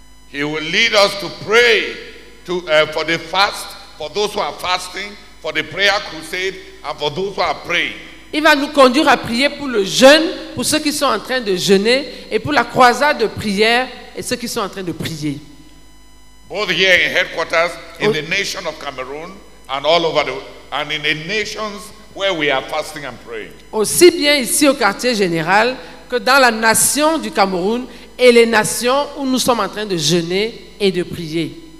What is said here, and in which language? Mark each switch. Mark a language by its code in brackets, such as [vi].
[en] He will lead us to pray for the fast, for those who are fasting, for the prayer crusade, and for those who are praying. [fr] Il va nous conduire à prier pour le jeûne, pour ceux qui sont en train de jeûner, et pour la croisade de prière et ceux qui sont en train de prier. [en] Both here in headquarters, in the nation of Cameroon, and all over the and in the nations where we are fasting and praying. [fr] Aussi bien ici au quartier général que dans la nation du Cameroun et les nations où nous sommes en train de jeûner et de prier.